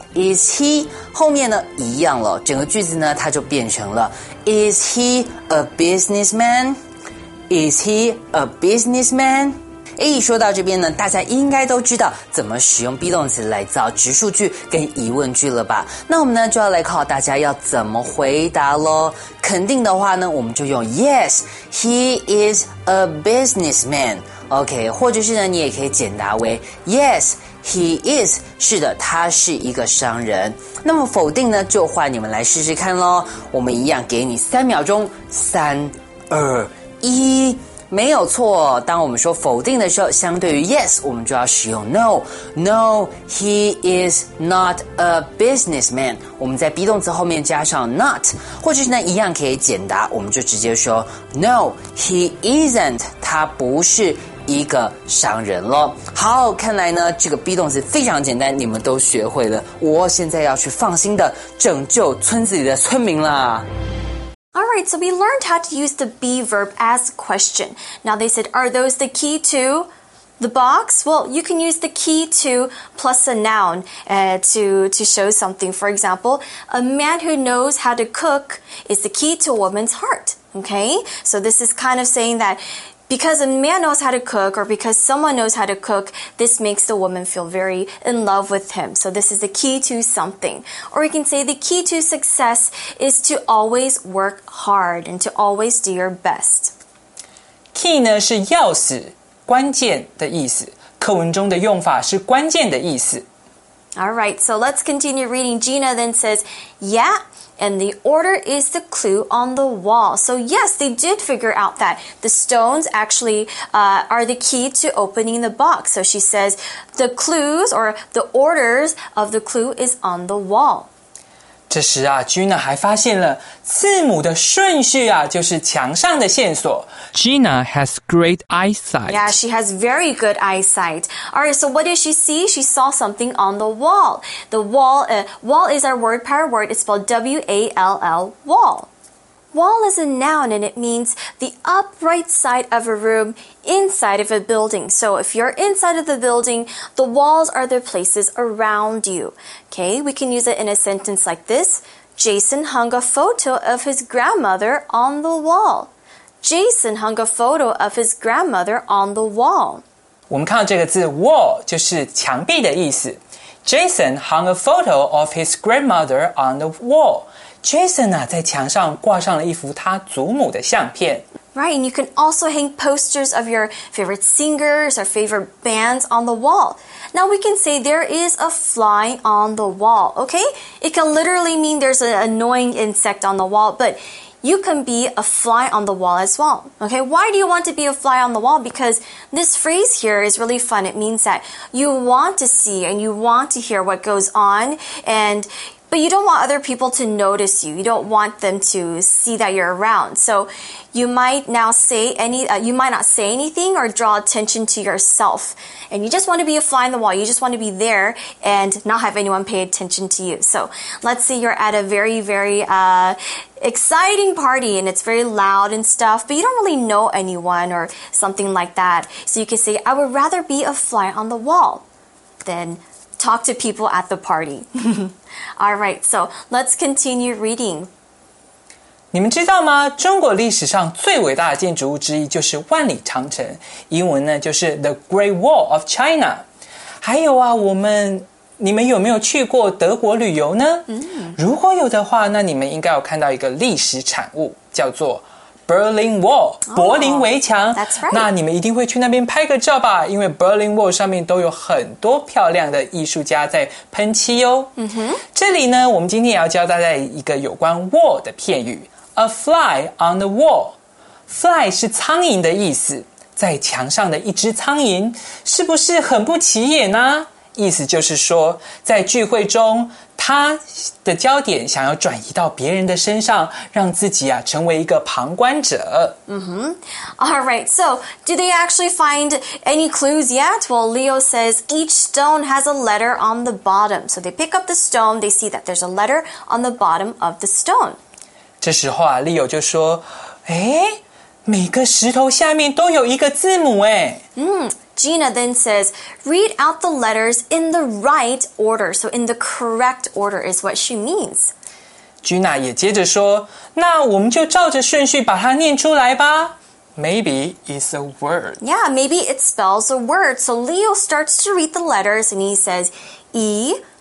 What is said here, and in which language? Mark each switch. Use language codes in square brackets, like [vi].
[en] Is he [zh] 后面呢一样了，整个句子呢它就变成了 [en] Is he a businessman? Is he a businessman? [zh] 诶，说到这边呢，大家应该都知道怎么使用 be 动词来造直述句跟疑问句了吧？那我们呢就要来考大家要怎么回答咯。肯定的话呢，我们就用 [en] Yes, he is a businessman. [zh] OK, 或者是呢，你也可以简答为 [en] Yes, he is. [zh] 是的，他是一个商人。那么否定呢，就换你们来试试看咯。我们一样给你三秒钟，三、二、一。没有错，当我们说否定的时候，相对于 yes 我们就要使用 no。 [en] No, he is not a businessman， [zh] 我们在 be 动词后面加上 not， 或者是呢一样可以简答，我们就直接说 [en] No, he isn't， [zh] 他不是一个商人咯。好，看来呢这个 be 动词非常简单，你们都学会了，我现在要去放心的拯救村子里的村民啦。 [en] Alright, so we learned how to use the be verb as a question. Now they said, are those the key to the box? Well, you can use the key to plus a noun, to show something. For example, a man who knows how to cook is the key to a woman's heart. Okay, so this is kind of saying that because a man knows how to cook or because someone knows how to cook, this makes the woman feel very in love with him. So this is the key to something. Or you can say the key to success is to always work hard and to always do your best. [zh] Key 呢是钥匙，关键的意思。课文中的用法是关键的意思。 [en] All right, so let's continue reading. Gina then says, yeah. And the order is the clue on the wall. So yes, they did figure out that the stones actually, are the key to opening the box. So she says the clues or the orders of the clue is on the wall. [zh] 这时啊 ,Gina 还发现了字母的顺序啊就是墙上的线索。 [en] Gina has great eyesight. Yeah, she has very good eyesight. All right, so what did she see? She saw something on the wall. The wall, wall is our word, pair word. It's spelled W-A-L-L, wall. Wall is a noun and it means the upright side of a room inside of a building. So if you're inside of the building, the walls are the places around you. Okay, we can use it in a sentence like this. Jason hung a photo of his grandmother on the wall. Jason hung a photo of his grandmother on the wall. [zh] 我们看到这个字 wall 就是墙壁的意思。 [en] Jason hung a photo of his grandmother on the wall. [zh] Jason 在墙上挂上了一幅他祖母的相片。 [en] Right, and you can also hang posters of your favorite singers or favorite bands on the wall. Now we can say there is a fly on the wall, okay? It can literally mean there's an annoying insect on the wall, but you can be a fly on the wall as well, okay? Why do you want to be a fly on the wall? Because this phrase here is really fun. It means that you want to see and you want to hear what goes on andBut you don't want other people to notice you. You don't want them to see that you're around. So you might now say you might not say anything or draw attention to yourself. And you just want to be a fly on the wall. You just want to be there and not have anyone pay attention to you. So let's say you're at a very, very, exciting party and it's very loud and stuff, but you don't really know anyone or something like that. So you can say, I would rather be a fly on the wall than talk to people at the party. All right, so let's continue reading. [zh] 你们知道吗？中国历史上最伟大的建筑物之一就是万里长城，英文呢就是 The Great Wall of China。还有啊，你们有没有去过德国旅游呢？如果有的话，那你们应该有看到一个历史产物，叫做Berlin Wall, 柏林围墙。 [en] That's right. [zh] 那你们一定会去那边拍个照吧，因为 Berlin Wall 上面都有很多漂亮的艺术家在喷漆哦。这里呢，我们今天也要教大家一个有关 wall 的片语。 [en] A fly on the wall. [zh] Fly 是苍蝇的意思，在墙上的一只苍蝇，是不是很不起眼呢？意思就是说，在聚会中，他的焦点想要转移到别人的身上，让自己成为一个旁观者。 [en] All right, so do they actually find any clues yet? Well, Leo says each stone has a letter on the bottom. So they pick up the stone, they see that there's a letter on the bottom of the stone. [zh] 这时候Leo 就说，每个石头下面都有一个字母诶。 [en] Gina then says, read out the letters in the right order. So in the correct order is what she means. [zh] Gina 也接着说，那我们就照着顺序把它念出来吧。 [en] Maybe it's a word. Yeah, maybe it spells a word. So Leo starts to read the letters and he says, E-G-Y-P-T.